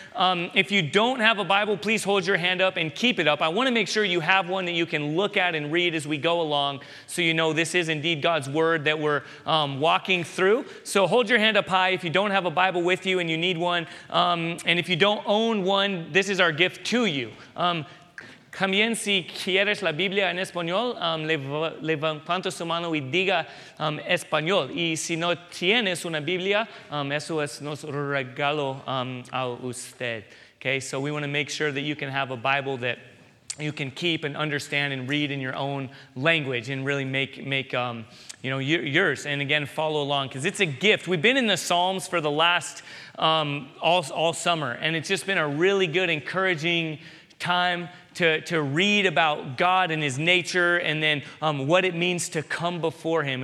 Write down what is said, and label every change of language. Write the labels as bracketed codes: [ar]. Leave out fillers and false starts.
[en] If you don't have a Bible, please hold your hand up and keep it up. I want to make sure you have one that you can look at and read as we go along so you know this is indeed God's word that we're walking through. So hold your hand up high if you don't have a Bible with you and you need one. And if you don't own one, this is our gift to you. [es] También si quieres la Biblia en español, levanta su mano y diga español. Y si no tienes una Biblia, eso es nuestro regalo a usted. [en] Okay, so we want to make sure that you can have a Bible that you can keep and understand and read in your own language and really make you know, yours. And again, follow along because it's a gift. We've been in the Psalms for the last all summer, and it's just been a really good, encouraging time to read about God and his nature and then what it means to come before him.